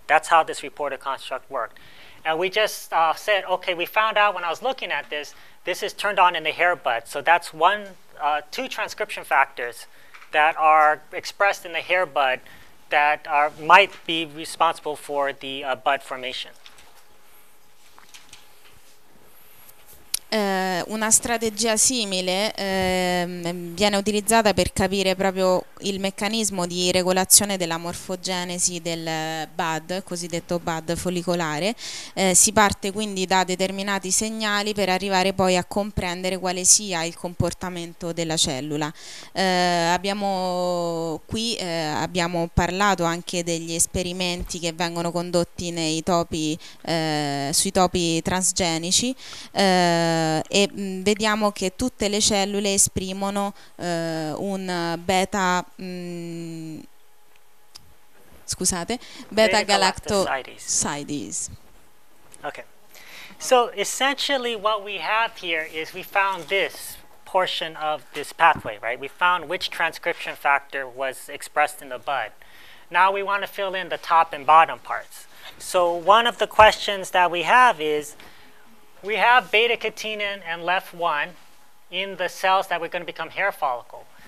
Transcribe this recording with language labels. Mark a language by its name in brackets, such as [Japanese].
[English] That's how this reporter construct worked. And we just said, okay, we found out when I was looking at this is turned on in the hair bud. So that's two transcription factors that are expressed in the hair bud that might be responsible for the bud formation. [Italian] Una strategia simile viene utilizzata per capire proprio il meccanismo di regolazione della morfogenesi del bud, cosiddetto bud follicolare. Si parte quindi da determinati segnali per arrivare poi a comprendere quale sia il comportamento della cellula. Abbiamo parlato anche degli esperimenti che vengono condotti sui topi transgenici. E vediamo che tutte le cellule esprimono un beta-galactosidase. [English] Okay. So essentially what we have here is we found this portion of this pathway, right? We found which transcription factor was expressed in the bud. Now we want to fill in the top and bottom parts. So one of the questions that we have is, we have beta-catenin and left 1 in the cells that we're going to become hair follicle.